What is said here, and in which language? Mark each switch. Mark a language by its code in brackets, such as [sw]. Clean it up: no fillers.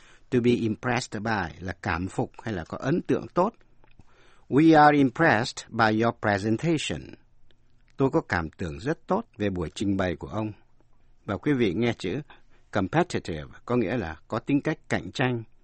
[en] To be impressed by [vi] là cảm phục hay là có ấn tượng tốt. [en] We are impressed by your presentation. [vi] Tôi có cảm tưởng rất tốt về buổi trình bày của ông. Và quý vị nghe chữ competitive có nghĩa là có tính cách cạnh tranh.